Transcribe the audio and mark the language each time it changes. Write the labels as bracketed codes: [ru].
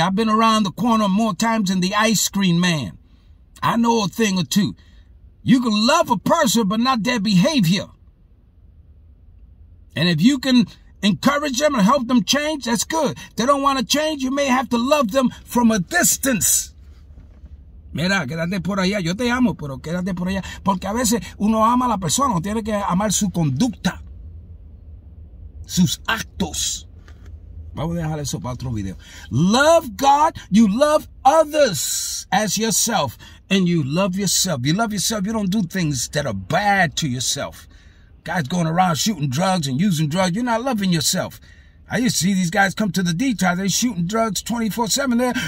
[en] I've been around the corner more times than the ice cream man. I know a thing or two. You can love a person, but not their behavior. And if you can encourage them and help them change, that's good. They don't want to change, you may have to love them from a distance. [es] Mira, quédate por allá. Yo te amo, pero quédate por allá. Porque a veces uno ama a la persona, uno tiene que amar su conducta, sus actos. Vamos a dejar eso para otro video. [en] Love God, you love others as yourself, and you love yourself. You love yourself, you don't do things that are bad to yourself. Guys going around shooting drugs and using drugs, you're not loving yourself. I used to see these guys come to the detox, they're shooting drugs 24-7.